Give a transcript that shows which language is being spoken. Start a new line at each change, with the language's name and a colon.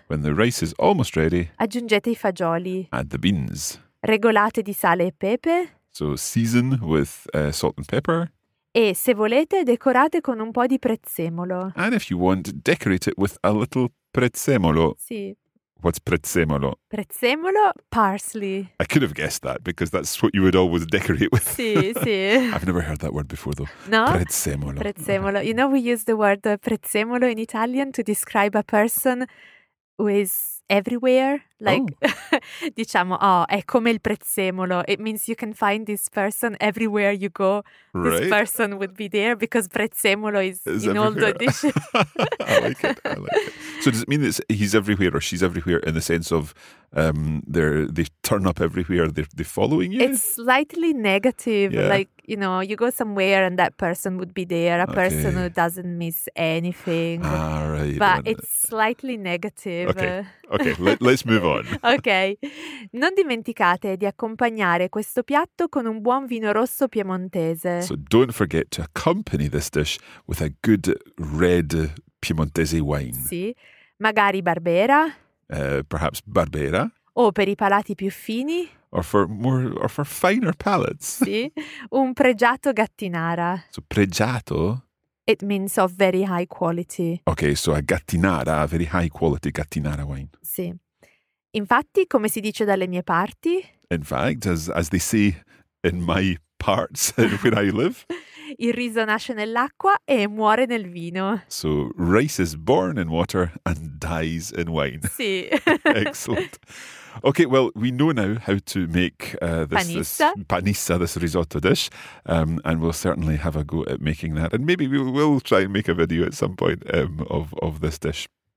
English: When the rice is almost ready.
Italian: Aggiungete i fagioli.
English: Add the beans.
Italian: Regolate di sale e pepe.
English: So season with salt and pepper.
Italian: E se volete decorate con un po' di prezzemolo.
English: And if you want, decorate it with a little prezzemolo.
Italian: Sì.
English: What's prezzemolo?
Italian: Prezzemolo, parsley.
English: I could have guessed that because that's what you would always decorate with.
Italian: Sì, sì.
English: I've never heard that word before though. No?
Italian: Prezzemolo.
English: Prezzemolo. You know, we use the word prezzemolo in Italian to describe a person who is everywhere, diciamo,
Italian: oh, è come il prezzemolo.
English: It means you can find this person everywhere you go. Right. This person would be there because prezzemolo is in everywhere. All the dishes. I like it. So does it mean that he's everywhere or she's everywhere in the sense of they turn up everywhere, they're following you? It's slightly negative. Yeah. Like, you know, you go somewhere and that person would be there, person who doesn't miss anything. Ah, right. But it's slightly negative. Okay, let's move on. Ok.
Italian: Non dimenticate di accompagnare questo piatto con un buon vino rosso piemontese.
English: So don't forget to accompany this dish with a good red piemontese wine.
Italian: Sì. Magari Barbera.
English: Perhaps Barbera.
Italian: O per i palati più fini.
English: Or for finer palates.
Italian: Sì. Un pregiato Gattinara.
English: So pregiato. It means of very high quality. Okay, so a Gattinara, a very high quality Gattinara wine.
Italian: Sì. Infatti, come si dice dalle mie parti.
English: In fact, as they say in my parts where I live.
Italian: Il riso nasce nell'acqua e muore nel vino.
English: So rice is born in water and dies in wine.
Italian: Sì.
English: Excellent. Okay, well, we know now how to make this panissa, this risotto dish, and we'll certainly have a go at making that. And maybe we will try and make a video at some point of this dish.